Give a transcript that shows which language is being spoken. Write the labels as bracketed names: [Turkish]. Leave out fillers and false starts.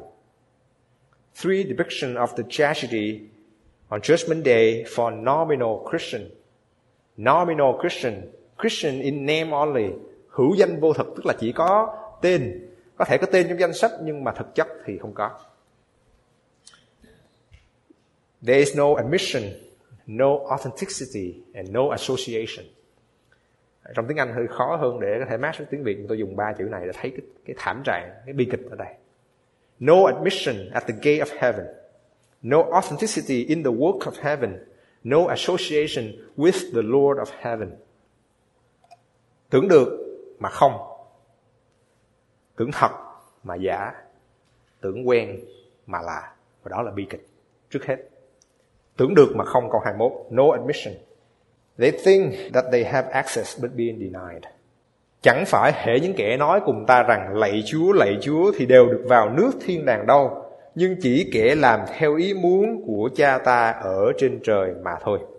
[English] 3 depictions of the tragedy on Judgment Day for nominal Christian. Nominal Christian, Christian in name only, [Vietnamese] hữu danh vô thực, tức là chỉ có tên, có thể có tên trong danh sách nhưng mà thực chất thì không có. [English] There is no admission, no authenticity and no association. [Vietnamese] Trong tiếng Anh hơi khó hơn để có thể match với tiếng Việt, tôi dùng 3 chữ này để thấy cái thảm trạng, cái bi kịch ở đây. [English] No admission at the gate of heaven, no authenticity in the work of heaven, no association with the Lord of heaven. [Vietnamese] Tưởng được mà không, tưởng thật mà giả, tưởng quen mà lạ, và đó là bi kịch. Trước hết, tưởng được mà không, câu 21, [English] no admission. They think that they have access but being denied. [Vietnamese] Chẳng phải hễ những kẻ nói cùng ta rằng lạy Chúa thì đều được vào nước thiên đàng đâu, nhưng chỉ kẻ làm theo ý muốn của cha ta ở trên trời mà thôi.